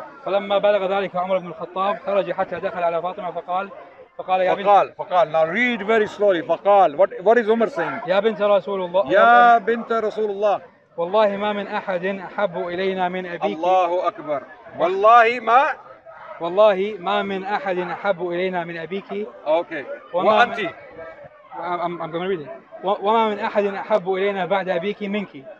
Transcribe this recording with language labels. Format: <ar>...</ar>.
<ar>فلما بلغ ذلك عمر بن الخطاب خرج حتى دخل على فاطمة فقال يا بنت</ar> <en>فقال now read very slowly فقال what is Umar saying</en> <ar>يا بنت رسول الله يا بنت رسول الله والله ما من أحد أحب إلينا من أبيك الله أكبر والله ما والله ما من أحد أحب إلينا من أبيك okay وأنت</ar> <en>I'm gonna read it</en> <ar>وما من أحد أحب إلينا بعد أبيك منك</ar>